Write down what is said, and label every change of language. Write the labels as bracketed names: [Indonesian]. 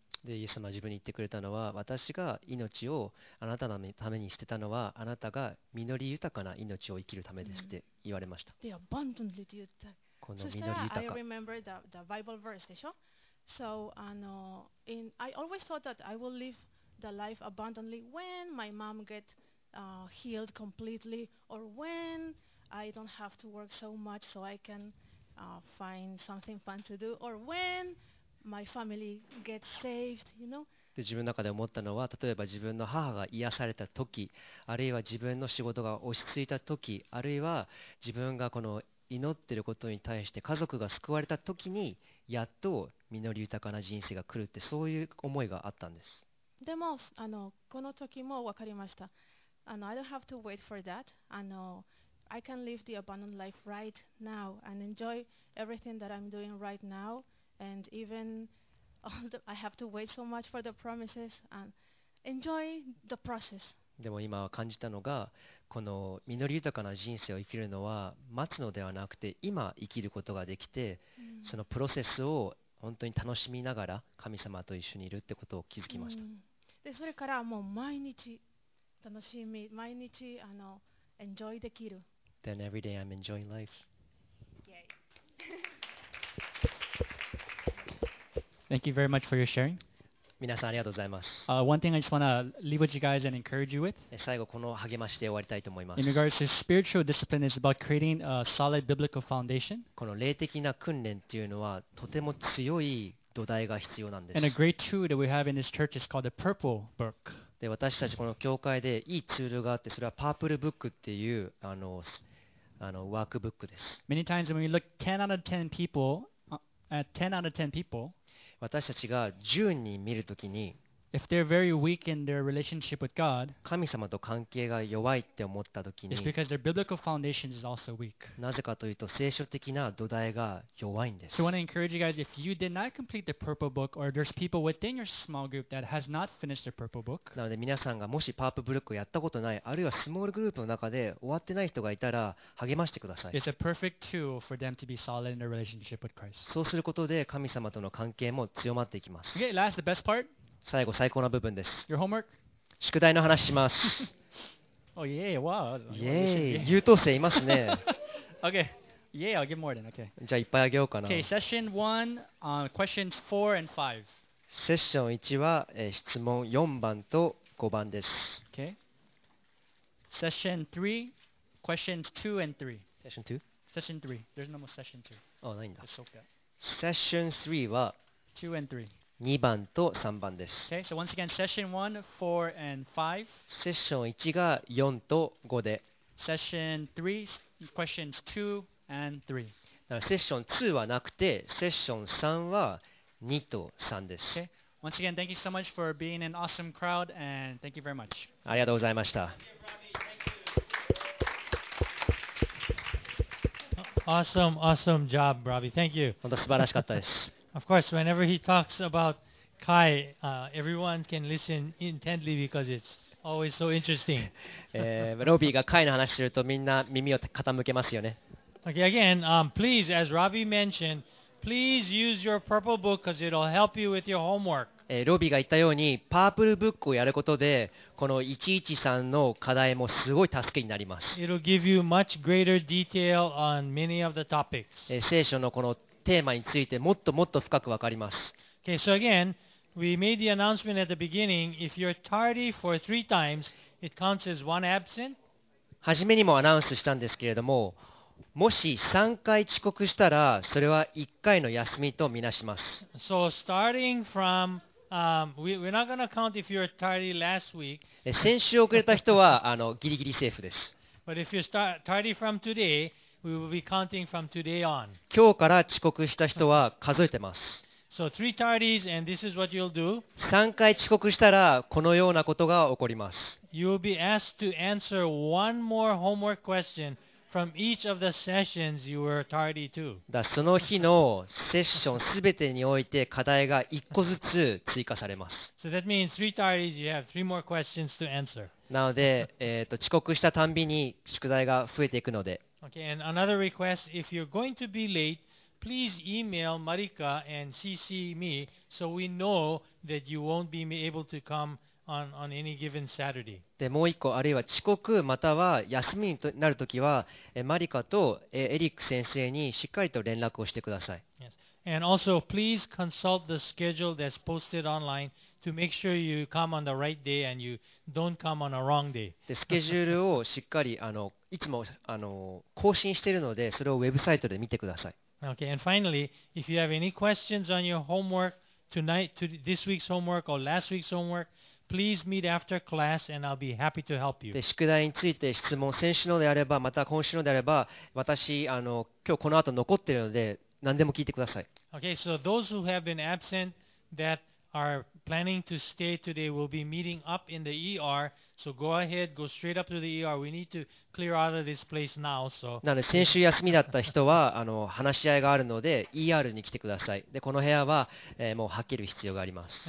[Japanese] で、イエス様は自分に言ってくれたのは、私が命をあなたのためにしてたのは、あなたが実り豊かな命を生きるためですって言われました。 [English] The abundantly [Japanese] って言った。この実り豊か。そしたら、 [English] I remember the Bible verse [Japanese] でしょ。 [English] So, I always thought that I will live the life abundantly when my mom get healed completely or when I don't have to work so much so I canfind something fun to do or when my family gets saved, you know? [Japanese] で自分の中で思ったのは例えば自分の母が癒された時あるいは自分の仕事が落ち着いた時あるいは自分がこの祈ってることに対して家族が救われた時にやっと実り豊かな人生が来るってそういう思いがあったんです。でもあのこの時も分かりました。 [English] あの I don't have to wait for that. あの I can live the abundant life right now and enjoy everything that I'm doing right now and even all the, I have to wait so much for the promises and enjoy the process. [Japanese] でも今は感じたのがこの実り豊かな人生を生きるのは待つのではなくて今生きることができて、そのプロセスを本当に楽しみながら神様と一緒にいるってことを気づきました。でそれからもう毎日楽しみ、毎日あのエンジョイできる。 [English] Then every day I'm enjoying life. Yay. Thank you very much for your sharing. [Japanese] 皆さんありがとうございます。 [English] One thing I just want to leave with you guys and encourage you with. [Japanese] 最後この励ましで終わりたいと思います。 [English] In regards to spiritual discipline, it's about creating a solid biblical foundation. [Japanese] この霊的な訓練っていうのはとても強い土台が必要なんです。 [English] And a great tool that we have in this church is called the Purple Book. [Japanese] で私たちこの教会でいいツールがあってそれはパープルブックっていうあのワークブックです。 [English] Many times when we look 10 out of 10 people, at 10 out of 10 people. [Japanese] 私たちが10人見るときに [English] If they're very weak in their relationship with God, [Japanese] 神様と関係が弱いって思ったときに [English] It's because their biblical foundation is also weak. [Japanese] なぜかというと聖書的な土台が弱いんです。 [English] So I want to encourage you guys, if you did not complete the purple book or there's people within your small group that has not finished their purple book, [Japanese] なので皆さんがもしパープルブックをやったことないあるいはスモールグループの中で終わってない人がいたら励ましてください。 [English] It's a perfect tool for them to be solid in their relationship with Christ. [Japanese] そうすることで神様との関係も強まっていきます。 [English] Okay, last, the best part. [Japanese] 最後最高な部分です。 [English] Your homework? [Japanese] 宿題の話します。 [English] Oh, yeah, wow. Yeah. [Japanese] 優等生いますね。 [English] Okay. Yeah, I'll get more than okay. [Japanese] じゃあいっぱいあげようかな。 [English] Okay, session 1, questions 4 and 5. [Japanese] セッション1は、質問4番と5番です。 [English] Okay. Session 3, questions 2 and 3. Session 2? Session 3. There's no more session 2. [Japanese] Oh, ないんだ。 [English] It's okay. [Japanese] Session 3は、 [English] 2 and 3. [Japanese] 2番と3番です。 [English] Okay, so once again, session 1, 4, and 5. [Japanese] セッション1が4と5で。 [English] Session 3, questions 2 and 3. [Japanese] だからセッション2はなくて、セッション3は2と3です。 [English] Okay, once again, thank you so much for being an awesome crowd, and thank you very much. [Japanese] ありがとうございました。 [English] Awesome, awesome job, Robbie. Thank you. [Japanese] 本当素晴らしかったです。 [English] Of course, whenever he talks about Kai, everyone can listen intently because it's always so interesting. [Japanese] Robbie が Kai の話するとみんな耳を傾けますよね。 [English] Okay, again, please, as Robbie mentioned, please use your purple book because it'll help you with your homework. [Japanese] Robbie が言ったように、パープルブックをやることで、この113の課題もすごい助けになります。 [English] It'll give you much greater detail on many of the topics. [Japanese] 聖書のこのテーマについてもっともっと深く分かります。 [English] Okay, so again, we made the announcement at the beginning. If you're tardy for three times, it counts as one absent. [Japanese] 初めにもアナウンスしたんですけれども、もし3回遅刻したら、それは1回の休みとみなします。 [English] So starting from, we're not going to count if you're tardy last week. [Japanese] 先週遅れた人はギリギリセーフです。 [English] But if you're tardy from today,We will be counting from today on. [Japanese] 今日から遅刻した人は数えてます。 [English] So three tardies and this is what you'll do. [Japanese] 3回遅刻したらこのようなことが起こります。 [English] You will be asked to answer one more homework question from each of the sessions you were tardy to. [Japanese] だその日のセッションすべてにおいて課題が1個ずつ追加されます。 [English] So that means three tardies, you have three more questions to answer. [Japanese] なので、遅刻したたんびに宿題が増えていくので。 [English] Okay, and another request, if you're going to be late, please email Marika and CC me so we know that you won't be able to come on any given Saturday. [Japanese] で、もう一個、あるいは遅刻または休みになるときは、マリカとエリック先生にしっかりと連絡をしてください。 [English] Yes. And also, please consult the schedule that's posted online. To make sure you come on the right day and you don't come on a wrong day. [Japanese] で、スケジュールをしっかりいつも更新しているので、それをウェブサイトで見てください。 [English] Okay, and finally, if you have any questions on your homework tonight, this week's homework or last week's homework, Please meet after class and I'll be happy to help you. [Japanese] で、宿題について質問、先週のであれば、また今週のであれば、私、今日この後残ってるので、何でも聞いてください。 [English] Okay, so those who have been absent that are planning to stay today will be meeting up in the ER. So go ahead, go straight up to the ER. We need to clear out of this place now. So. [Japanese] なので先週休みだった人は話し合いがあるので ER に来てください。で、この部屋は、もう吐ける必要があります。